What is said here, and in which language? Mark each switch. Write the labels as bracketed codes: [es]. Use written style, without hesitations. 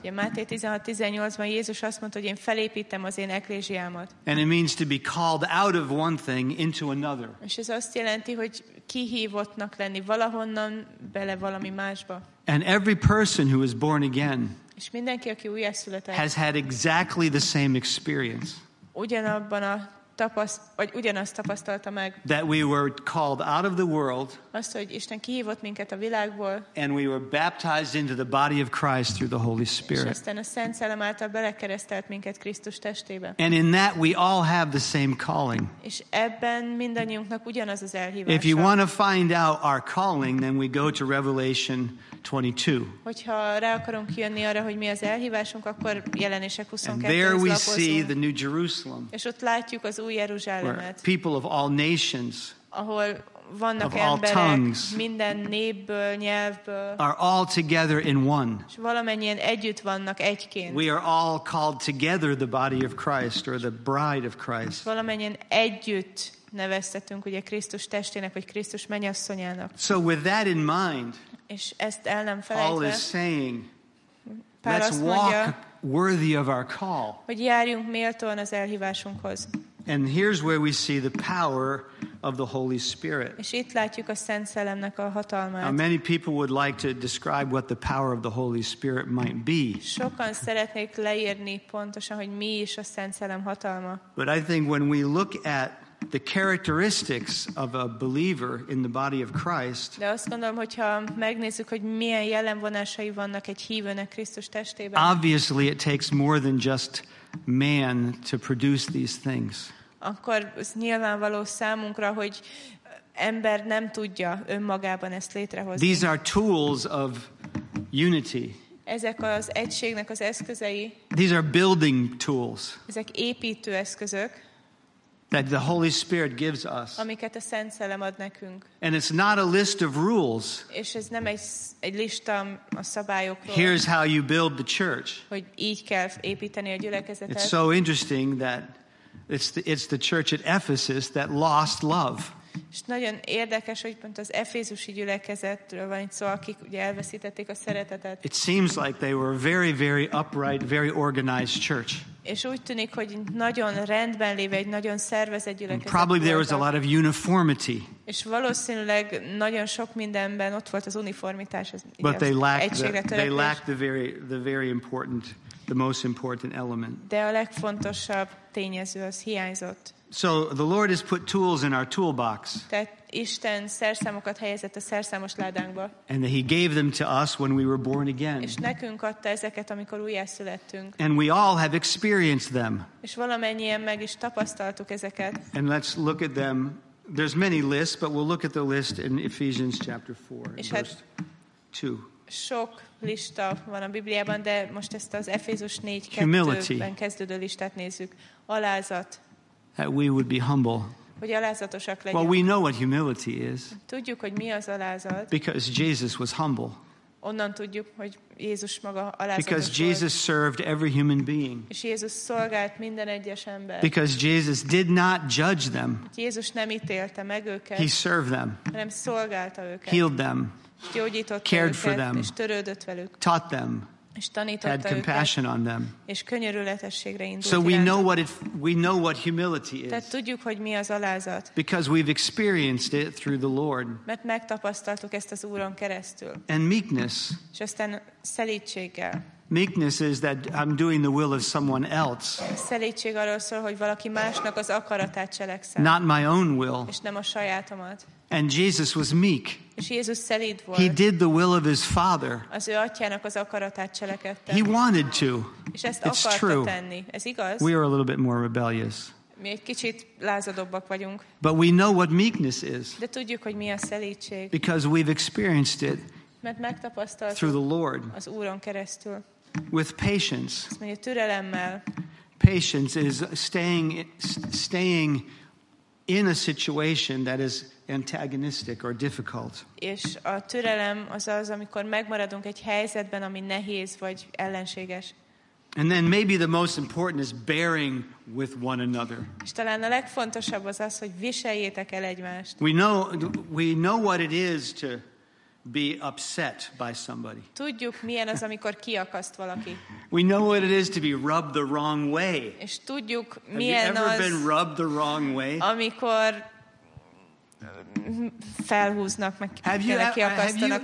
[hu] Ja, Máté 16:18-ban Jézus azt mondta, hogy én felépítem az én ecclesiámat. [en] And it means to be called out of one thing into another. [hu] És ez azt jelenti, hogy kihívottnak lenni valahonnan bele valami másba. [en] And every person who is born again [hu] és mindenki, aki újjászületett, [en] has had exactly the same experience. [hu] Ugyanabban a vagy ugyanazt tapasztalta meg. [en] That we were called out of the world. [hu] Azt, hogy Isten kihívott minket a világból. [en] And we were baptized into the body of Christ through the Holy Spirit. [hu] És aztán a Szent Szellem által belekeresztelt minket Krisztus testébe. [en] And in that we all have the same calling. [hu] És ebben mindannyiunknak ugyanaz az elhívása. [en] If you want to find out our calling, then we go to Revelation 22. [hu] Hogyha rá akarunk jönni arra, hogy mi az elhívásunk, akkor Jelenések 22-hez lapozunk. [en] There we see the New Jerusalem. [hu] És ott látjuk az új Jeruzsálemet. [en] People of all nations. [hu] Ahol vannak emberek minden népből, nyelvből. [en] Are all together in one. [hu] És valamennyien együtt vannak egyként. [en] We are all called together the body of Christ or the bride of Christ. [hu] Valamennyien együtt neveztetünk ugye Krisztus testének vagy Krisztus mennyasszonyának. [en] So with that in mind. [hu] És ezt el nem felejtve. [en] Paul is saying, let's walk worthy of our call. [hu] Hogy járjunk méltóan az elhívásunkhoz. [en] And here's where we see the power of the Holy Spirit. [hu] És itt látjuk a Szent Szellemnek a hatalmát. [en] Now, many people would like to describe what the power of the Holy Spirit might be. [hu] Sokan szeretnék leírni pontosan, hogy mi is a Szent Szellem hatalma. [en] But I think when we look at the characteristics of a believer in the body of Christ. [hu] De azt gondolom, hogyha megnézzük, hogy milyen jellemvonásai vannak egy hívőnek Krisztus testében. [en] Obviously, it takes more than just man to produce these things. [hu] Akkor ez nyilvánvaló számunkra, hogy ember nem tudja önmagában ezt létrehozni. [en] These are tools of unity. [hu] Ezek az egységnek az eszközei. [en] These are building tools. [hu] Ezek építő eszközök. [en] That the Holy Spirit gives us. [hu] Amiket a Szent Szellem ad nekünk. [en] And it's not a list of rules. [hu] És ez nem egy lista a szabályokról. [en] Here's how you build the church. [hu] Hogy így kell építeni a gyülekezetet. [en] It's so interesting that it's the church at Ephesus that lost love. [hu] És nagyon érdekes, hogy pont az efézusi gyülekezetről van itt szó, akik ugye elveszítették a szeretetet. [en] It seems like they were a very, very upright, very organized church. [hu] És úgy tűnik, hogy nagyon rendben lévő, egy nagyon szervezett gyülekezet. [en] Probably there was a lot of uniformity. [hu] És valószínűleg nagyon sok mindenben ott volt az uniformitás, az egységre törekvés. [en] They lacked the very important, the most important element. [hu] De a legfontosabb tényező az hiányzott. [en] So the Lord has put tools in our toolbox. [hu] Tehát Isten szerszámokat helyezett a szerszámos ládánkba. [en] And he gave them to us when we were born again. [hu] És nekünk adta ezeket, amikor újjászülettünk. [en] And we all have experienced them. [hu] És valamennyien meg is tapasztaltuk ezeket. [en] And let's look at them. There's many lists, but we'll look at the list in Ephesians chapter 4, verse 2. [hu] Sok lista van a Bibliában, de most ezt az Efézus 4:2-ben kezdődő listát nézzük. Alázat. [en] That we would be humble. [hu] Hogy alázatosak legyünk. [en] Well, we know what humility is. [hu] Tudjuk, hogy mi az alázat. [en] Because Jesus was humble. [hu] Onnan tudjuk, hogy Jézus maga alázatos. [en] Because [hu] volt. [en] Jesus served every human being. [hu] És Jézus szolgált minden egyes ember. [en] Because Jesus did not judge them. [hu] Jézus nem ítélte meg őket. [en] He served them. [hu] Hanem szolgálta őket. [en] Healed them. [hu] Gyógyította [en] cared [hu] őket, [en] for them. [hu] És törődött velük. [en] Taught them. [hu] És tanította [en] had compassion [hu] őket, [en] on them. [hu] És könyörületességre indult. [en] So we know what humility is. [hu] Tehát tudjuk, hogy mi az alázat. [en] Because we've experienced it through the Lord. [hu] Mert megtapasztaltuk ezt az Úron keresztül. [en] And meekness. [hu] És aztán szelídséggel. [en] Meekness is that I'm doing the will of someone else. [hu] Szelídség arról szól, hogy valaki másnak az akaratát cselekszem. [en] Not my own will. [hu] És nem a sajátomat. [en] And Jesus was meek. [hu] És Jézus szelíd volt. [en] He did the will of his Father. [hu] Az ő atyának az akaratát cselekedte. [en] He wanted to. [hu] És ezt [en] It's [hu] akarta [en] true. [hu] Tenni. Ez igaz? [en] We are a little bit more rebellious. [hu] Mi egy kicsit lázadóbbak vagyunk. [en] But we know what meekness is. [hu] De tudjuk, hogy mi a szelídség. [en] Because we've experienced it. [hu] Mert megtapasztaltuk. [en] Through the Lord. [hu] Az Úron keresztül. [en] With patience. [hu] Azt mondja, türelemmel. [en] Patience is staying in a situation that is antagonistic or difficult. [hu] És a türelem az, amikor megmaradunk egy helyzetben, ami nehéz vagy ellenséges. [en] And then maybe the most important is bearing with one another. [hu] És talán a legfontosabb az, hogy viseljétek el egymást. [en] We know what it is to be upset by somebody. [hu] Tudjuk, milyen az, amikor kiakaszt valaki. [en] We know what it is to be rubbed the wrong way. [hu] És tudjuk, milyen az. [en] Have you ever been rubbed the wrong way? [hu] Amikor felhúznak, meg kellene kiakasztanak.